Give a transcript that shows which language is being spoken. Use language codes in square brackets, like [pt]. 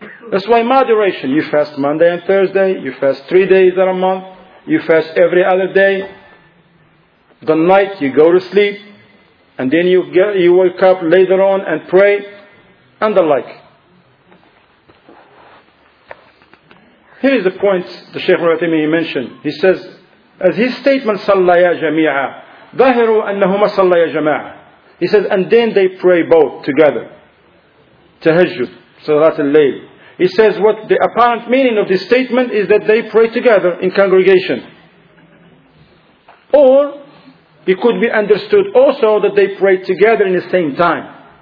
[en] That's why moderation. You fast Monday and Thursday. You fast 3 days out of a month. You fast every other day. The night you go to sleep. And then you wake up later on and pray. And the like. Here is the point the Shaykh Al-Uthaymeen mentioned. [ar] He says, as his statement, صَلَّيَا جَمِيعًا ظَهِرُوا أَنَّهُمَا صَلَّيَا جَمَاعًا. [en] He says, and then they pray both together. Tahajjud, Salat al-Layl. He says, what the apparent meaning of this statement is that they pray together in congregation. Or, it could be understood also that they pray together in the same time.